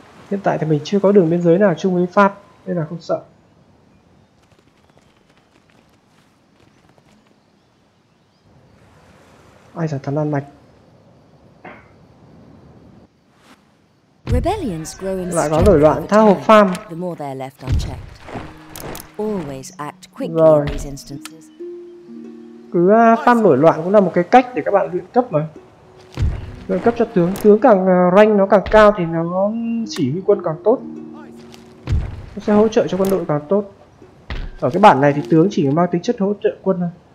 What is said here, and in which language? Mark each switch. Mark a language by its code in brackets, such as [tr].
[vi] Hiện tại thì mình chưa có đường biên giới nào chung với Pháp, nên là không sợ. Ai giả thần Lan Mạch. [en] Rebellions grow in [vi] lại có nổi loạn tha hồ farm. [en] The more they're left unchecked. Always act quickly in these instances. [vi] Cứ farm nổi loạn cũng là một cái cách để các bạn luyện cấp mà. Nâng cấp cho tướng, tướng càng rank nó càng cao thì nó chỉ huy quân càng tốt. Nó sẽ hỗ trợ cho quân đội càng tốt. Ở cái bản này thì tướng chỉ mang tính chất hỗ trợ quân thôi.